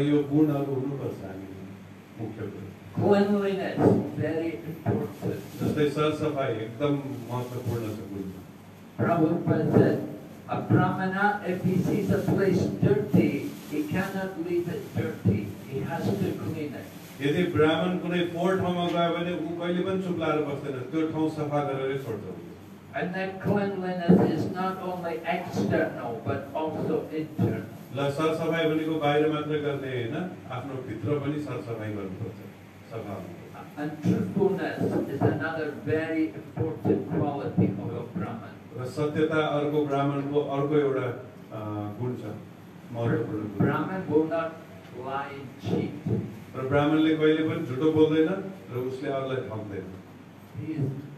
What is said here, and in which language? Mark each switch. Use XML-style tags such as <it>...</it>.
<ne>यो गुणहरू हुनुपर्छ हामी मुख्य कुरा</ne> <en>cleanliness, very important.</en> <ne>Jastai sarsafai, ekdam mahatvapurna cha kuncha.</ne> <en>Prabhupada said, a brahmana, if he sees a place dirty, he cannot leave it dirty. He has to clean it.</en> <ne>यदि ब्राह्मण कुनै फोहोर ठाउँमा गयो भने ऊ कहिले पनि चुप लाएर बस्दैन त्यो ठाउँ सफा गरेरै छोड्छ</ne> <en>and that cleanliness is not only external but also internal</en> <ne>ल सरसफाई भनेको बाहिर मात्र गर्ने हैन आफ्नो भित्र पनि सरसफाई गर्नुपर्छ सफा</ne> <en>and truthfulness is another very important quality of a brahman</en> <ne>र सत्यता अर्को ब्राह्मणको अर्को एउटा गुण छ महत्त्वपूर्ण</ne> <en>Brahmin will not lie and cheat</en> <ne>र ब्राह्मणले कहिले पनि झुटो बोल्दैन र उसले अरूलाई ठग्दैन</ne>